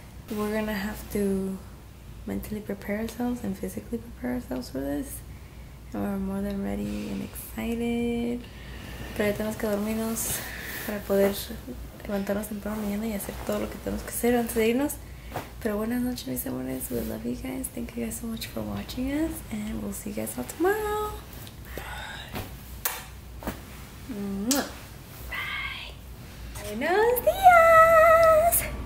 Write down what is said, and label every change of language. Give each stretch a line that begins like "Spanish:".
English: We're gonna have to mentally prepare ourselves and physically prepare ourselves for this. And we're more than ready and excited.
Spanish: Pero ya tenemos que dormirnos para poder levantarnos temprano mañana y hacer todo lo que tenemos que hacer antes de irnos. Pero buenas noches, mis amores.
English: We love you guys. Thank you guys so much for watching us. And we'll see you guys all tomorrow. Bye. Bye.
Spanish: Buenos días.